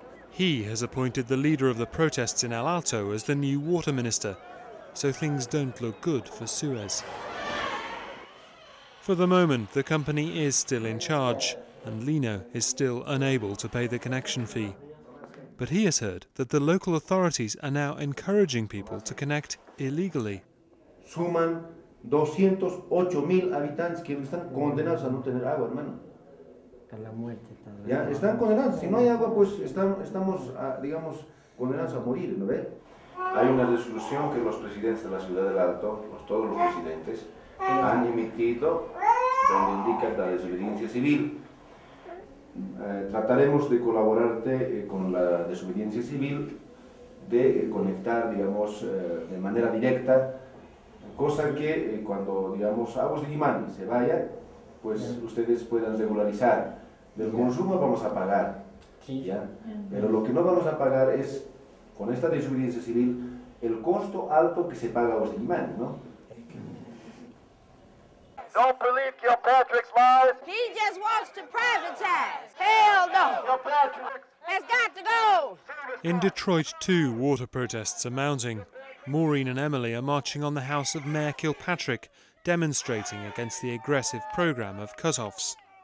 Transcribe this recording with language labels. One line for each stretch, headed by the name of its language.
English: He has appointed the leader of the protests in El Alto as the new water minister, so things don't look good for Suez. For the moment, the company is still in charge, and Lino is still unable to pay the connection fee. But he has heard that the local authorities are now encouraging people to connect illegally.
Spanish: Suman 208,000 habitantes que están condenados a no tener agua, hermano. A la muerte. Ya, están condenados. Si no hay agua, pues estamos condenados a morir, ¿no ve? Hay una resolución que los presidentes de la ciudad del Alto, todos los presidentes, han emitido donde indica la desobediencia civil. Trataremos de colaborarte con la desobediencia civil, de conectar, digamos, de manera directa, cosa que cuando, digamos, Aguas de Limán se vaya, pues yeah, ustedes puedan regularizar. Del consumo vamos a pagar, sí, ¿ya? Pero lo que no vamos a pagar es, con esta desobediencia civil, el costo alto que se paga Aguas de Limán, ¿no?
English: Don't believe Kilpatrick's lies. He just wants to privatize. Hell no. Kilpatrick has got to go. In Detroit, too, water protests are mounting. Maureen and Emily are marching on the house of Mayor Kilpatrick, demonstrating against the aggressive program of cutoffs.